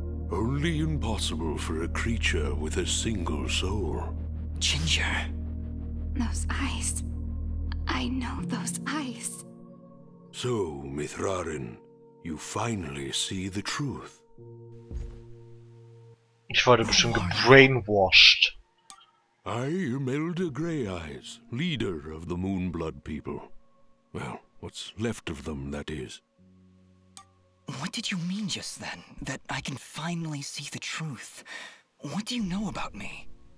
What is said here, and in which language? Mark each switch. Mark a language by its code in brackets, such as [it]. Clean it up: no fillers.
[en] Only impossible for a creature with a single soul. Ginger. Those eyes. I know those eyes. So, Mithrarin, you finally see the truth. [de] Ich wurde bestimmt gebrainwashed. [en] I am Elder Greyeyes, leader of the Moonblood people. Well, what's left of them, that is. What did you mean just then, that I can finally see the truth? What do you know about me?